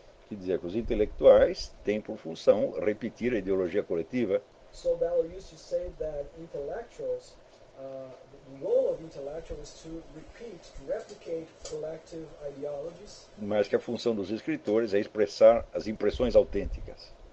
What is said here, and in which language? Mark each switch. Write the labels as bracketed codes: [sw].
[pt] que dizia que os intelectuais têm por função repetir a ideologia coletiva. [en] Saul Bellow used to say that intellectuals, the role of intellectuals is to repeat, to replicate collective ideologies. [pt] Mas que a função dos escritores é expressar as impressões autênticas.